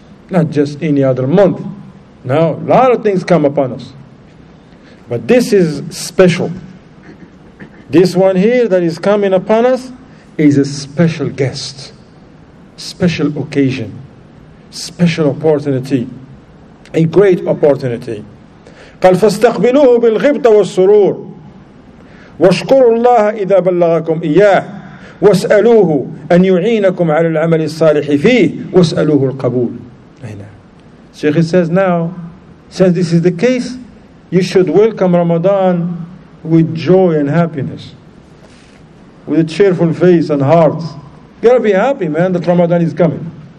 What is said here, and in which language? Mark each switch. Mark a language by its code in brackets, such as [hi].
[en] Not just any other month. Now, a lot of things come upon us. But this is special. This one here that is coming upon us is a special guest, special occasion, special opportunity, a great opportunity. [ar] قال فاستقبلوه بالغبطة والسرور واشكروا الله إذا بلغكم إياه واسألوه أن يعينكم على العمل الصالح فيه واسألوه القبول. [en] Sheikh says now, since this is the case, you should welcome Ramadan with joy and happiness, with a cheerful face and heart. You gotta be happy, man, that Ramadan is coming.